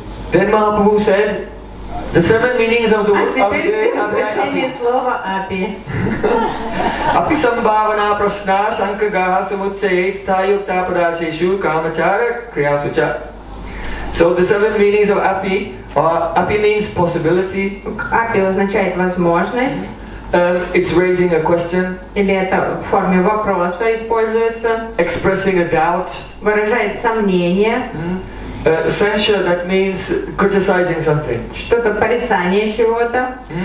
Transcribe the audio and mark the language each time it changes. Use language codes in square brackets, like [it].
[en] Then Mahaprabhu said, the seven meanings of the word api. [ru] Теперь значение слова api. [sa] Api sambhavana prasna shankha gaha samutsayet thayukta padasheshu kamachara kriyasu cha. [en] So the seven meanings of api are, api means possibility. [ru] Api означает возможность. [en] It's raising a question. [ru] Или это в форме вопроса используется. [en] Expressing a doubt. [ru] Выражает сомнение. [en] Censure, that means criticizing something. [ru] Что-то порицание чего-то.